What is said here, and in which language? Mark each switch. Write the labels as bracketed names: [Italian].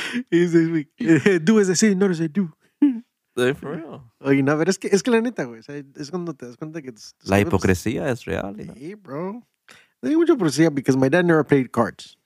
[English] He's like, do as I say, not as I do. They're for real. [Spanish] Oye, no, pero es que la neta, güey. O sea, es cuando te das cuenta que... La hipocresía es real. Sí, hey, bro. No hay mucha hipocresía [English] because my dad never played cards.